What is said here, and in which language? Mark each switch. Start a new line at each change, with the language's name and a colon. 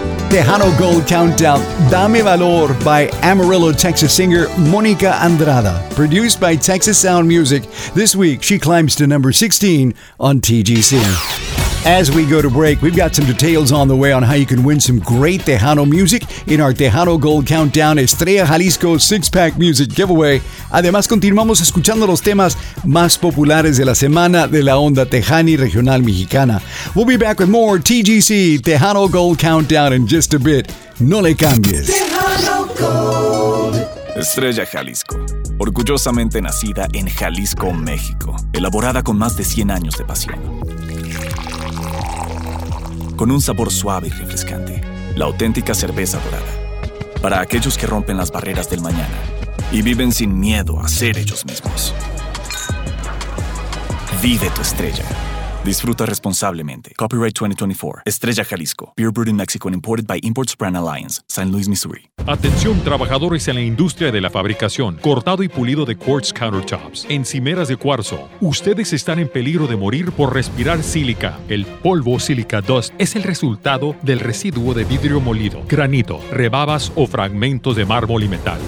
English: Tejano Gold Countdown, Dame Valor by Amarillo, Texas singer Monica Andrada. Produced by Texas Sound Music, this week she climbs to number 16 on TGC. As we go to break, we've got some details on the way on how you can win some great Tejano music in our Tejano Gold Countdown Estrella Jalisco six-pack music giveaway.
Spanish: Además, continuamos escuchando los temas más populares de la semana de la onda Tejana y Regional Mexicana.
English: We'll be back with more TGC Tejano Gold Countdown in just a bit.
Spanish: No le cambies. Tejano Gold. Estrella Jalisco. Orgullosamente nacida en Jalisco, México. Elaborada con más de 100 años de pasión. Con un sabor suave y refrescante, la auténtica cerveza dorada. Para aquellos que rompen las barreras del mañana y viven sin miedo a ser ellos mismos. Vive tu estrella. Disfruta responsablemente. Copyright 2024. Estrella Jalisco.
English: Beer brewed in Mexico and imported by Imports Brand Alliance. San Luis, Missouri.
Spanish: Atención, trabajadores en la industria de la fabricación, cortado y pulido de
English: quartz countertops,
Spanish: encimeras de cuarzo. Ustedes están en peligro de morir por respirar sílica. El polvo sílica dust es el resultado del residuo de vidrio molido, granito, rebabas o fragmentos de mármol y metal.